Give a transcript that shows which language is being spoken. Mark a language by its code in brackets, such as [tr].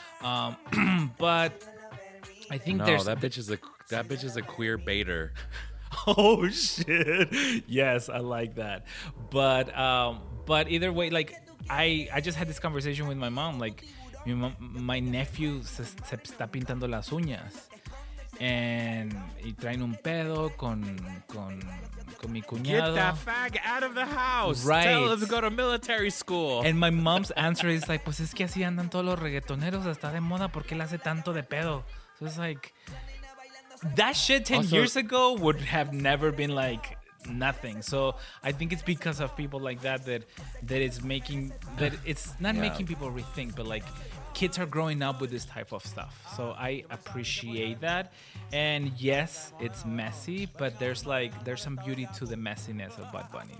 [en] but I think no, there's... No, that bitch is a queer baiter. Oh, shit. Yes, I like that. But either way, like, I just had this conversation with my mom. Like, my nephew se está pintando las uñas. [es] And y traen un pedo con mi cuñado. [en] Get that fag out of the house. Right. Tell him to go to military school. [es] And my mom's answer is like, pues es que así andan todos los reggaetoneros, está de moda, ¿por qué le hace tanto de pedo? [en] So it's like, that shit 10 also, years ago would have never been like nothing. So I think it's because of people like that that it's making, that it's not making people rethink, but like, kids are growing up with this type of stuff. So I appreciate that. And yes, it's messy, but there's some beauty to the messiness of Bad Bunny.